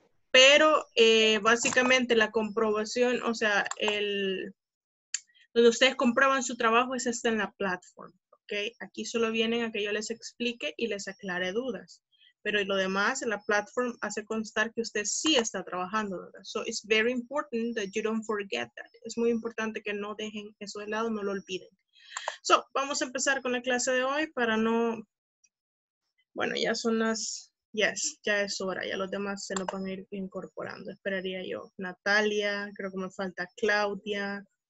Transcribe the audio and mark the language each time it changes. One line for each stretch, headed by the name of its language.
Spanish: Pero básicamente la comprobación, o sea, el donde ustedes comprueban su trabajo es esta en la plataforma, ¿ok? Aquí solo vienen a que yo les explique y les aclare dudas. Pero lo demás en la plataforma hace constar que usted sí está trabajando, ¿verdad?
English: So it's very important that you don't forget that.
Spanish: Es muy importante que no dejen eso de lado, no lo olviden. So, vamos a empezar con la clase de hoy para no... Bueno, ya son las... Yes, ya es hora, ya los demás se lo van a ir incorporando, esperaría yo. Natalia, creo que me falta Claudia.